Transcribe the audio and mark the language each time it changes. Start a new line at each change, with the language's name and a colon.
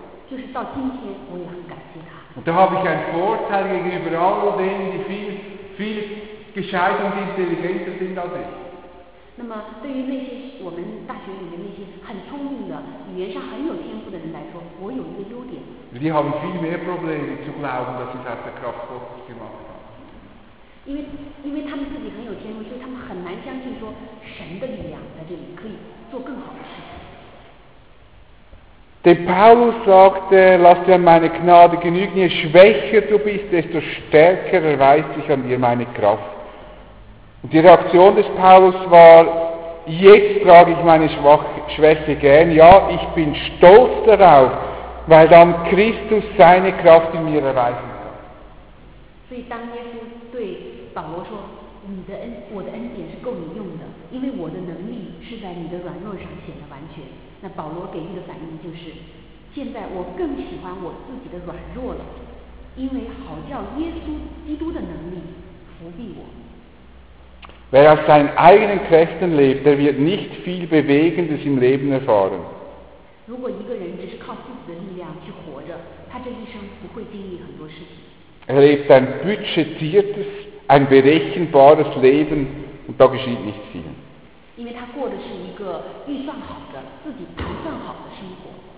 Chinese: 就是到今天我也很感谢他。
German: Und da habe ich einen Vorteil gegenüber all denen, die viel, viel gescheiter und intelligenter sind als ich.
Chinese: 那么对于那些我们大学里面那些很聪明的、语言上很有天赋的人来说，我有一个优点。
German: Die haben viel mehr Probleme zu glauben, dass ich aus der Kraft Gottes gemacht habe.
Chinese: 因为他们自己很有天赋，所以他们很难相信说神的力量在这里可以做更好的事情。
German: Denn Paulus sagte, lass dir meine Gnade genügen, je schwächer du bist, desto stärker erweist sich an dir meine Kraft. Und die Reaktion des Paulus war, jetzt trage ich meine Schwäche gern, ja, ich bin stolz darauf, weil dann Christus seine Kraft in mir erweisen kann.
Chinese: 所以当耶稣对保罗说，我的恩典是够你用的，因为我的能力是在你的软弱上显得完全。那保罗给予的反应就是，现在我更喜欢我自己的软弱了，因为好叫耶稣基督的能力服庇我。
German: Wer aus seinen eigenen Kräften lebt, der wird nicht viel Bewegendes im Leben erfahren.
Chinese: 如果一个人只是靠自己的力量去活着，他这一生不会经历很多事情。
German: Er lebt ein budgetiertes, ein berechenbares Leben und da geschieht nicht viel.
Chinese: 因为他过的是一个预算好的、自己盘算好的生活。